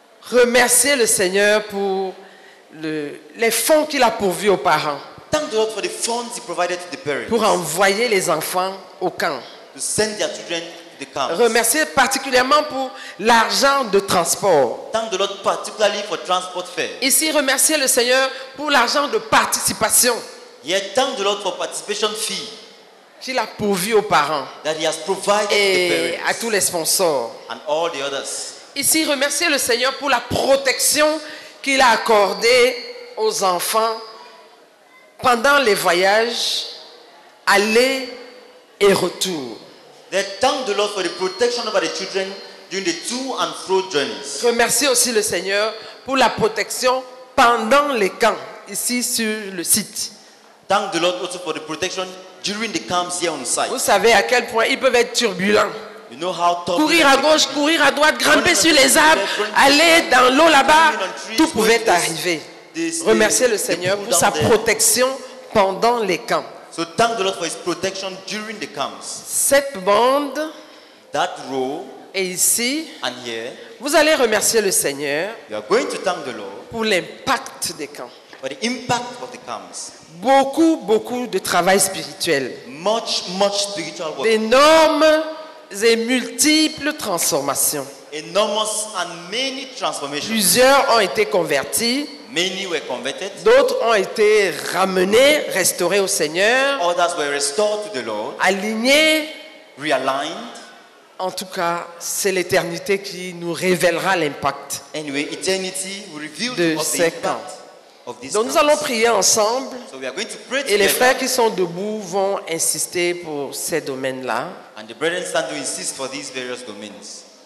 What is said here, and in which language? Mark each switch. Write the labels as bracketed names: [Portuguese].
[French] Remerciez le Seigneur pour les fonds qu'il a pourvus aux parents. [English] Thank the Lord for the funds he provided to the parents. [French] Pour envoyer les enfants au camp. [English] To send their children to the camps. [French] Remerciez particulièrement pour l'argent de transport. [English] Thank the Lord particularly for transport fare. [French] Ici, remerciez le Seigneur pour l'argent de participation. [English] Yeah, thank the Lord for participation fee. [French] Qu'il a pourvu aux parents. [English] That he has provided [French] et [English] to the parents. [French] À tous les sponsors. [English] And all the others. [French] Ici, remerciez le Seigneur pour la protection qu'il a accordée aux enfants pendant les voyages aller et retour. [English] Thank the Lord for the protection over the children during the to and fro journeys. [French] Remerciez aussi le Seigneur pour la protection pendant les camps ici sur le site. [English] Thank the Lord also for the protection during the camps here on site. [French] Vous savez à quel point ils peuvent être turbulents. [English] You know how [French] courir à gauche, courir à droite, grimper sur les arbres, aller dans l'eau là-bas, tout pouvait arriver. Remerciez le Seigneur pour sa protection pendant les camps. [English] So thank the Lord for his protection during the camps. [French] Cette bande, [English] that row, [French] est ici. [English] And here, [French] vous allez remercier le Seigneur. [English] You are going to thank the Lord [French] pour l'impact des camps. [English] For the impact of the camps. [French] Beaucoup, beaucoup de travail spirituel. [English] Much, much spiritual work. [French] D'énormes et multiples transformations. [English] Enormous and many transformations. [French] Plusieurs ont été convertis. [English] Many were converted. [French] D'autres ont été ramenés, restaurés au Seigneur. [English] Others were restored to the Lord. [French] Alignés. [English] Realigned. [French] En tout cas, c'est l'éternité qui nous révélera l'impact. [English] Anyway, eternity will reveal [French] de ces camps. Donc nous allons prier ensemble. [English] So we are going to pray [French] et [English] together. [French] Les frères qui sont debout vont insister pour ces domaines-là. [English] And the brethren stand to insist for these various domains.